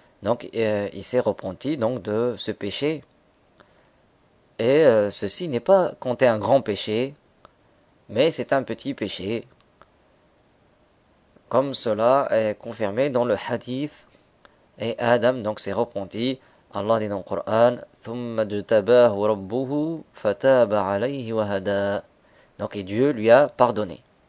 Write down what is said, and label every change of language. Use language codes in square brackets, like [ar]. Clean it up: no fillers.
[fr] Donc il s'est repenti donc de ce péché. Et ceci n'est pas compté un grand péché, mais c'est un petit péché. Comme cela est confirmé dans le hadith. Et Adam donc s'est repenti. Allah dit dans le Coran, [ar] ثُمَّ اجْتَبَاهُ رَبُّهُ فَتَابَ عَلَيْهِ وَهَدَى. [fr] Donc et Dieu lui a pardonné.